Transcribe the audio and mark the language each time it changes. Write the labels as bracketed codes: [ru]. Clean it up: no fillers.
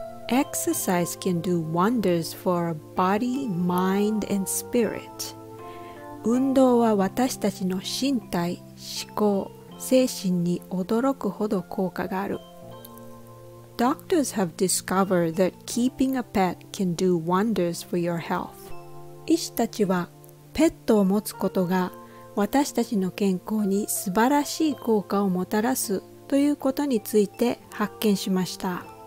[en] Exercise can do wonders for body, mind, and spirit. [ja] 運動は私たちの身体、思考、精神に驚くほど効果がある。 [en] Doctors have discovered that keeping a pet can do wonders for your health. [ja] 医師たちはペットを持つことが私たちの健康に素晴らしい効果をもたらすということについて発見しました。